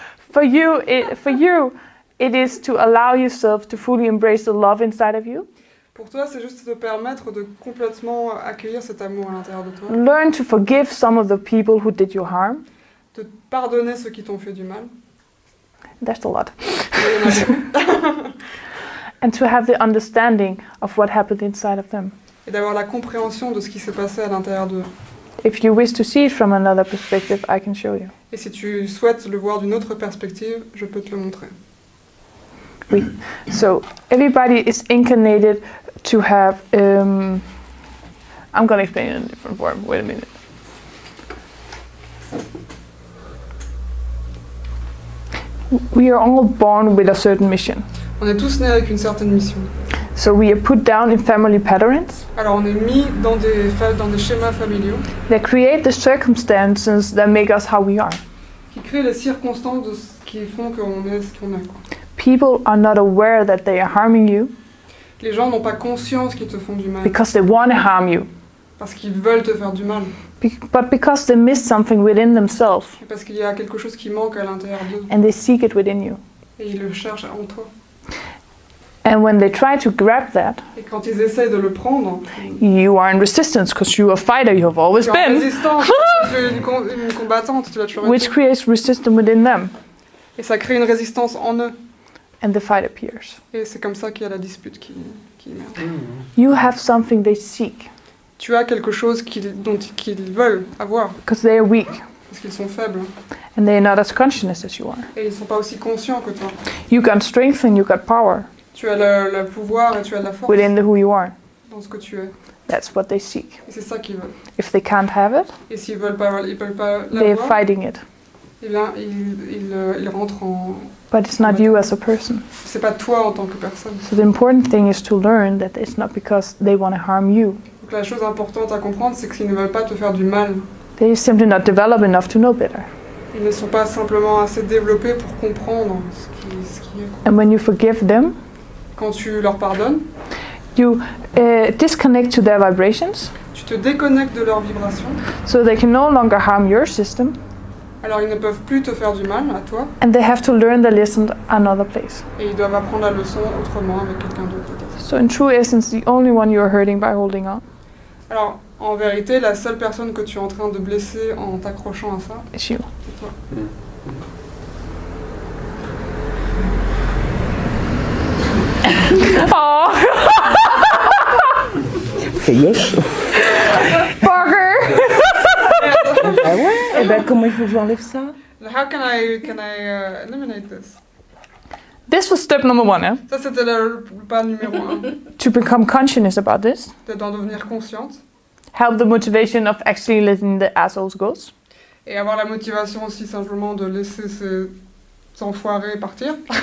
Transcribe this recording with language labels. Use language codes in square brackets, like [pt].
[en] For you, it is to allow yourself to fully embrace the love inside of you. [fr] Pour toi, c'est juste de permettre de complètement accueillir cet amour à l'intérieur de toi. [en] Learn to forgive some of the people who did you harm. [fr] De pardonner ceux qui t'ont fait du mal. [en] That's a lot. And to have the understanding of what happened inside of them. [fr] Et d'avoir la compréhension de ce qui s'est passé à l'intérieur d'eux. [en] If you wish to see it from another perspective, I can show you. [fr] Et si tu souhaites le voir d'une autre perspective, je peux te le montrer. [en] Oui. So everybody is incarnated to have, I'm gonna explain it in a different form, wait a minute. We are all born with a certain mission. [fr] On est tous nés avec une certaine mission. [en] So we are put down in family patterns. [fr] Alors on est mis dans des schémas familiaux. [en] They create the circumstances that make us how we are. [fr] Qui créent les circonstances qui font qu'on est ce qu'on est. [en] People are not aware that they are harming you. [fr] Les gens n'ont pas conscience qu'ils te font du mal. [en] Because they want to harm you. [fr] Parce qu'ils veulent te faire du mal. [en] But because they miss something within themselves. [fr] Et parce qu'il y a quelque chose qui manque à l'intérieur d'eux. [en] And they seek it within you. [fr] Et ils le cherchent en toi. [en] And when they try to grab that, [fr] et quand ils essayent de le prendre, [en] you are in resistance because you are a fighter, you have always been. [fr] Tu es en résistance, une combattante, tu l'as toujours été. [en] Which creates resistance within them. [fr] Et ça crée une résistance en eux. [en] And the fight appears. [fr] Et c'est comme ça qu'il y a la dispute qui émerge. Mm-hmm. [en] You have something they seek. [fr] Tu as quelque chose qu'ils veulent avoir. [en] Because they are weak. [fr] Parce qu'ils sont faibles. [en] And they are not as conscious as you are. [fr] Et ils ne sont pas aussi conscients que toi. [en] You got strength and you got power. [fr] Tu as le pouvoir et tu as la force. [en] Within who you are. [fr] Dans ce que tu es. [en] That's what they seek. [fr] Et c'est ça qu'ils veulent. [en] If they can't have it, [fr] et s'ils ne veulent pas l'avoir, [en] they are fighting it. [fr] Et bien, ils rentrent en... [en] But it's not you as a person. [fr] C'est pas toi en tant que personne. [en] So the important thing is to learn that it's not because they want to harm you. [fr] Donc la chose importante à comprendre, c'est qu'ils ne veulent pas te faire du mal. [en] They simply not develop enough to know better. [fr] Ils ne sont pas simplement assez développés pour comprendre ce qui est. [en] And when you forgive them, [fr] quand tu leur pardonnes, [en] you disconnect to their vibrations. [fr] Tu te déconnectes de leurs vibrations. [en] So they can no longer harm your system. [fr] Alors ils ne peuvent plus te faire du mal à toi. [en] And they have to learn the lesson another place. [fr] Et ils doivent apprendre la leçon autrement avec quelqu'un d'autre. Peut-être. [en] So in true essence, the only one you are hurting by holding on. [fr] Alors en vérité, la seule personne que tu es en train de blesser en t'accrochant à ça, [en] it's you. [fr] C'est toi. Mm. Oh. C'est yes. Parker. Ah ouais. Et ben comment il faut que j'enlève ça? [en] How can I eliminate this? This was step number one. Eh? [fr] Ça c'était le pas numéro 1. [en] To become conscious about this. [fr] D'en devenir consciente. [en] Help the motivation of actually letting the assholes go. [fr] Et avoir la motivation aussi simplement de laisser ces enfoirés partir.